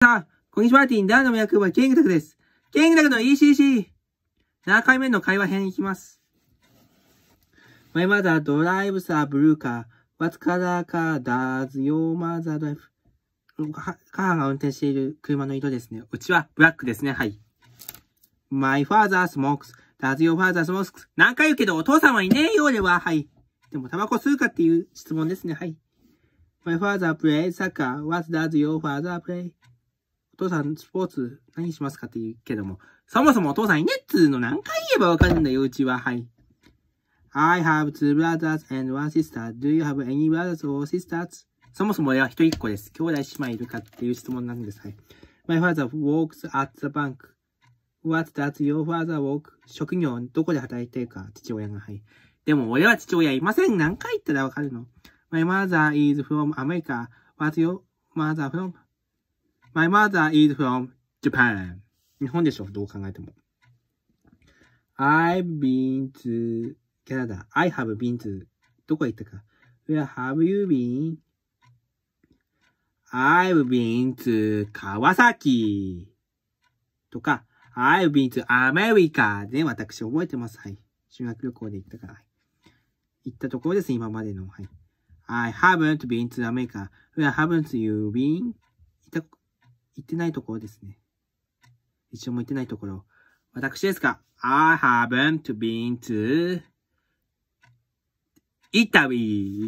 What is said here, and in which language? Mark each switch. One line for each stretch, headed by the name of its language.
Japanese: さあ、こんにちは、マーティン。ダーの役場、ケングタクです。ケングタクの ECC。 7回目の会話編いきます。
English: My mother drives a blue car. What color car does your mother drive?
Japanese: 母が運転している車の色ですね。うちはブラックですね。
English: はい。My father smokes. Does your father smokes?
Japanese: 何回言うけど、お父さんはいねえよ、俺は。はい。でも、タバコ吸うかっていう質問ですね。はい。
English: My father plays soccer. What does your father play?
Japanese: お父さん、スポーツ、何しますかって言うけども。そもそもお父さんいねっつーの何回言えばわかるんだよ、うちは。はい。
English: I have two brothers and one sister. Do you have any brothers or sisters?
Japanese: そもそも俺は一人っ子です。兄弟姉妹いるかっていう質問なんです。はい。
English: My father works at the bank. What does your father work?
Japanese: 職業、どこで働いてるか、父親が。はい。でも俺は父親いません。何回言ったらわかるの
English: ?My mother is from America. What's your mother from? My mother is from Japan.
Japanese: 日本でしょ、どう考えても。
English: I've been to Canada. I have been to.
Japanese: どこ行ったか。
English: Where have you been? I've been to 川崎。 とか、I've been to America.
Japanese: で、私覚えてます。はい。修学旅行で行ったから。行ったところです、今までの。はい。
English: I haven't been to America. Where haven't you been?
Japanese: 行ってないところですね。一応も行ってないところ。私ですか
English: ?I haven't been to Italy.